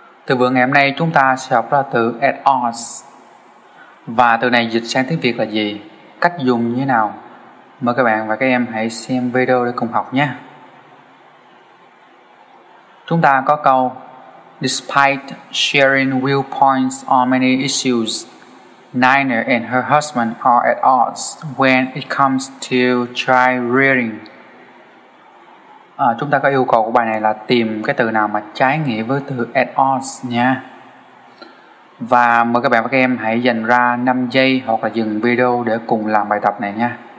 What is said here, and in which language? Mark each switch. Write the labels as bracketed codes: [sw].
[vi] Từ vựng ngày hôm nay chúng ta sẽ học ra từ at odds. Và từ này dịch sang tiếng Việt là gì? Cách dùng như thế nào? Mời các bạn và các em hãy xem video để cùng học nhé. Chúng ta có câu: [en] Despite sharing viewpoints on many issues, Nina and her husband are at odds when it comes to child rearing. [vi] Chúng ta có yêu cầu của bài này là tìm cái từ nào mà trái nghĩa với từ at odds nha. Và mời các bạn và các em hãy dành ra 5 giây hoặc là dừng video để cùng làm bài tập này nha.